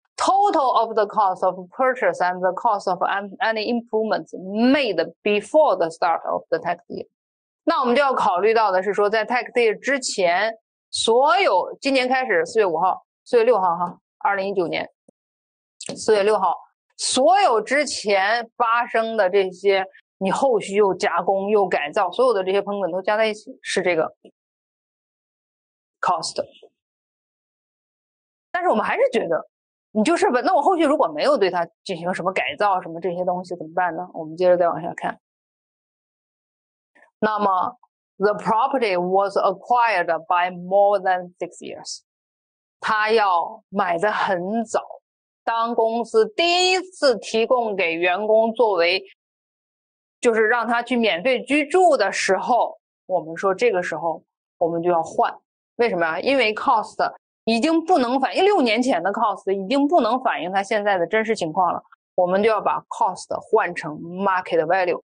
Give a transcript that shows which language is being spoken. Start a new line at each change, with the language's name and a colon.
English: total of the cost of purchase and the cost of any improvements made before the start of the tax year。
Chinese: 那我们就要考虑到的是说，在 tax day 之前，所有今年开始4月5号4月6号哈2019年4月6号所有之前发生的这些你后续又加工又改造，所有的这些成本都加在一起，是这个 cost。但是我们还是觉得，你就是吧？那我后续如果没有对它进行什么改造、什么这些东西怎么办呢？我们接着再往下看。那么
English: ，the property was acquired by more than 6 years。
Chinese: 他要买的很早，当公司第一次提供给员工作为，就是让他去免费居住的时候，我们说这个时候我们就要换。为什么啊？因为 cost 已经不能反映，六年前的 cost 已经不能反映他现在的真实情况了，我们就要把 cost 换成 market value。